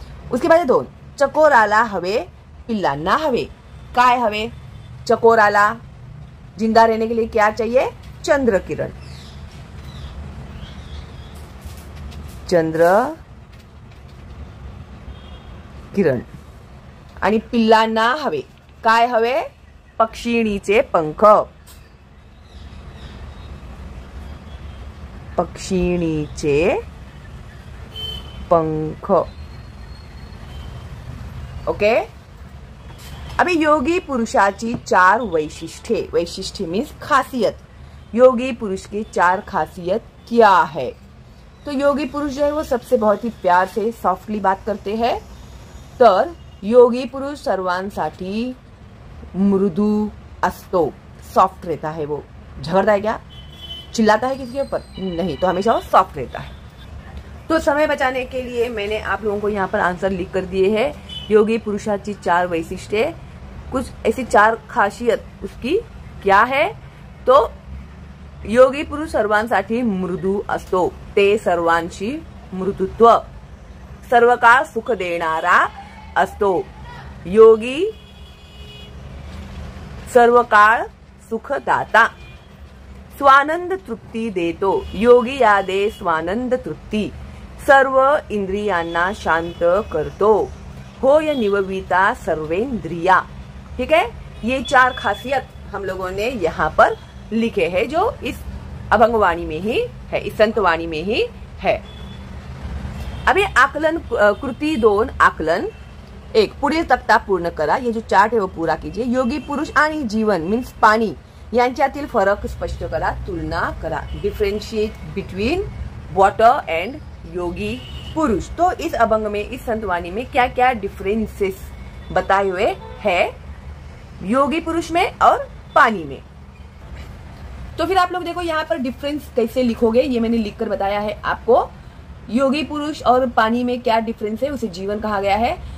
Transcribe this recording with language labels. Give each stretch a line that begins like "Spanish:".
Marathi: उसके बाद दोन चकोराला हवे पिल्ला ना हवे, काय हवे चकोराला,
Hindi: जिंदा रहने के लिए क्या चाहिए,
Marathi: चंद्र किरण, चंद्र किरण। आणि पिल्लांना हवे काय हवे, पक्षिणीचे पंख, पक्षिणीचे पंख, ओके।
Hindi: अभी
Marathi: योगी पुरुषाची चार वैशिष्ट्ये,
Hindi: वैशिष्ट्य मीन्स खासियत, योगी पुरुष की चार खासियत क्या है। तो योगी पुरुष जो है वो सबसे बहुत ही प्यार से सॉफ्टली बात करते हैं,
Marathi: तर योगी पुरुष सर्वांसाठी मृदु अस्तो,
Hindi: सॉफ्ट रहता है वो, झगड़ता है क्या, चिल्लाता है किसी के ऊपर नहीं, तो हमेशा वो सॉफ्ट रहता है। तो समय बचाने के लिए मैंने आप लोगों को यहाँ पर आंसर लिख कर दिए है,
Marathi: योगी पुरुषाची चार वैशिष्ट्य,
Hindi: कुछ ऐसी चार खासियत उसकी क्या है।
Marathi: तो योगी पुरुष सर्वांसाठी मृदु असतो, ते सर्वांशी मृदुत्व, सर्वकाळ सुख देणारा असतो, योगी सर्व काल सुख दाता, स्वानंद तृप्ति देतो, योगी यादे स्वानंद तृप्ति, सर्व इंद्रियांना शांत करतो, होय निवविता सर्वेंद्रिया।
Hindi: ठीक है, ये चार खासियत हम लोगों ने यहाँ पर लिखे है, जो इस अभंगवाणी में ही है, इस संतवाणी में ही है।
Marathi: अभी आकलन कृति दोन, आकलन एक, पुढील तक्ता पूर्ण करा,
Hindi: ये जो चार्ट है वो पूरा कीजिए।
Marathi: योगी पुरुष आणि जीवन मीन्स पाणी यांच्यातील फरक स्पष्ट करा, तुलना करा,
English: differentiate between water and
Marathi: योगी पुरुष।
Hindi: तो इस अभंग में, इस संतवाणी में क्या क्या डिफरेंसेस बताए हुए है योगी पुरुष में और पानी में। तो फिर आप लोग देखो यहाँ पर डिफरेंस कैसे लिखोगे, ये मैंने लिखकर बताया है आपको। योगी पुरुष और पानी में क्या डिफरेंस है, उसे जीवन कहा गया है।